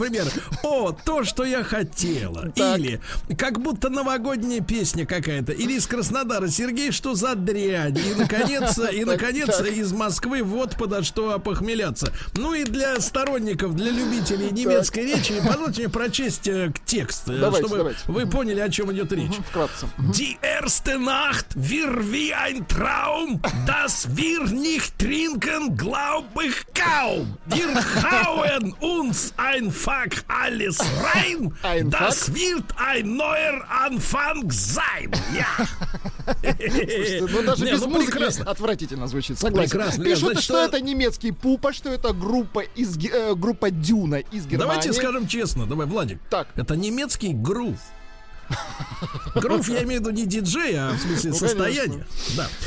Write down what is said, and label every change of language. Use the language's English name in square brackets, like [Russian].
[Russian] Например, о, то, что я хотела. Так. Или как будто новогодняя песня какая-то. Или из Краснодара. Сергей, что за дрянь? И, наконец, из Москвы вот подо что опохмеляться. Ну и для сторонников, для любителей немецкой речи, позвольте мне прочесть текст, чтобы вы поняли, о чем идет речь. Вкратце. [German] Die erste Nacht wir wie ein Traum, das wir nicht trinken, glaub ich kaum. Wir hauen uns einfach alle rein, das wird ein neuer Anfang sein. [Russian] Слушайте, ну даже без музыки отвратительно звучит, согласен. Прекрасно. Пишут, что это немецкий Пупа, что это группа Дюна из Германии. Давайте скажем честно, давай, Владик. Так. Это немецкий грув. Грув, я имею в виду не диджей, а в смысле состояние. Да.